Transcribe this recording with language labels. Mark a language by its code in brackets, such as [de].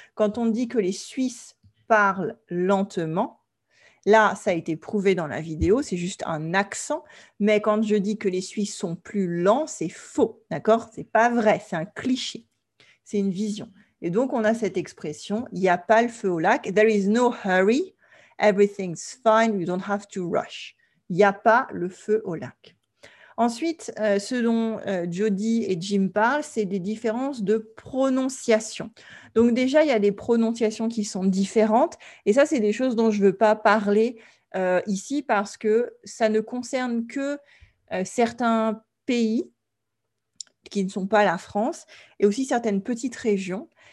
[fr] Quand on dit que les Suisses parlent lentement, là, ça a été prouvé dans la vidéo, c'est juste un accent. Mais quand je dis que les Suisses sont plus lents, c'est faux, d'accord? C'est pas vrai, c'est un cliché, c'est une vision. Et donc, on a cette expression, il n'y a pas le feu au lac. [en] There is no hurry, everything's fine, you don't have to rush. [fr] Il n'y a pas le feu au lac. Ensuite, ce dont Jody et Jim parlent, c'est des différences de prononciation. Donc déjà, il y a des prononciations qui sont différentes. Et ça, c'est des choses dont je ne veux pas parler ici parce que ça ne concerne que certains pays qui ne sont pas la France et aussi certaines petites régions.